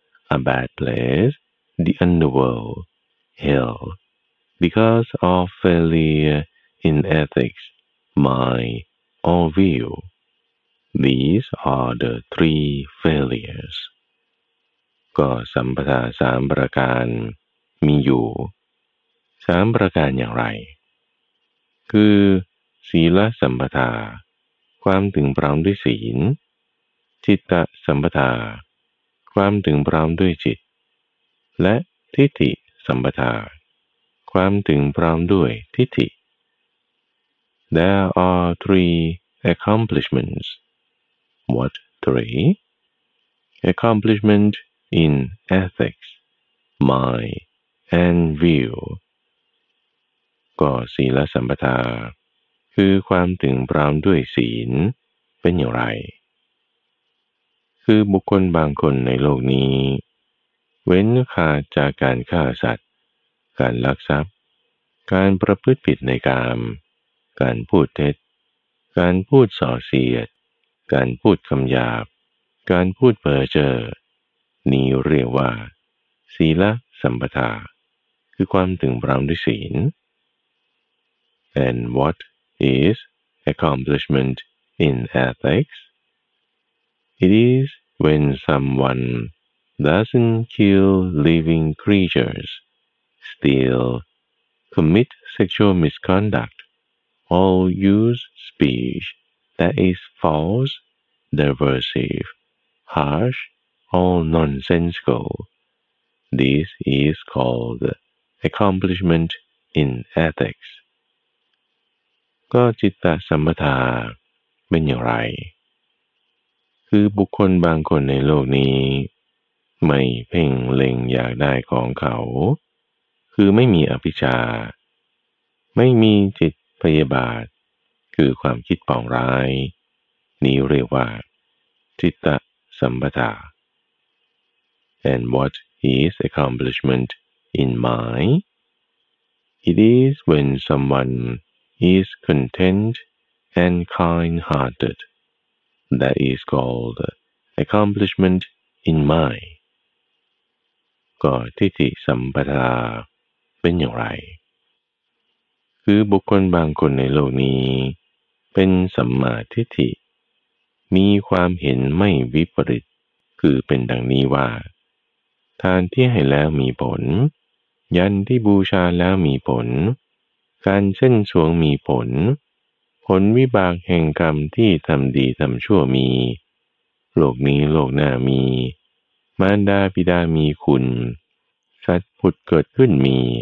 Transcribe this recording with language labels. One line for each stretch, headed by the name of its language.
English: A bad place, the underworld, hell, because of failure in ethics, mind, or view. These are the three failures.
Thai: ก็สัมปทาสามประการมีอยู่สามประการอย่างไรคือศีลสัมปทาความถึงพร้อมด้วยศีลจิตตสัมปทาความถึงพร้อมด้วยจิตและทิฏฐิสัมปทาความถึงพร้อมด้วยทิฏฐิ
English: There are three accomplishments. What three? Accomplishment in ethics, mind, and view.
Thai: ก็ศีลสัมปทาคือความถึงพร้อมด้วยศีลเป็นอย่างไรคือบุคคลบางคนในโลกนี้ เว้นขาดจากการฆ่าสัตว์การลักทรัพย์การประพฤติผิดในกามการพูดเท็จการพูดส่อเสียดการพูดคำหยาบการพูดเพ้อเจ้อนี้เรียกว่าศีลสัมปทาคือความถึงพร้อมด้วยศีล
English: And what is accomplishment in ethics? It is when someone doesn't kill living creatures, steal, commit sexual misconduct, or use speech that is false, derisive, harsh, or nonsensical. This is called accomplishment in ethics.
Thai: ก็จิตตสัมปทาเป็นอย่างไรคือบุคคลบางคนในโลกนี้ไม่เพ่งเล็งอยากได้ของเขาคือไม่มีอภิชฌาไม่มีจิตพยาบาทคือความคิดปองร้ายนี้เรียกว่าจิตตสัมปทา
English: And what is accomplishment in mind? It is when someone is content and kind-hearted. That is called accomplishment in mind.
Thai: ก็ทิฏฐิสัมปทาเป็นอย่างไรคือบุคคลบางคนในโลกนี้เป็นสัมมาทิฏฐิมีความเห็นไม่วิปริตคือเป็นดังนี้ว่า ทานที่ให้แล้วมีผลยันที่บูชาแล้วมีผลการเช่นสวงมีผลผลวิบากแห่งกรรมที่ทำดีทำชั่วมีโลกนี้โลกหน้ามีมารดาบิดามีคุณสัตว์ผุดเกิดขึ้นมี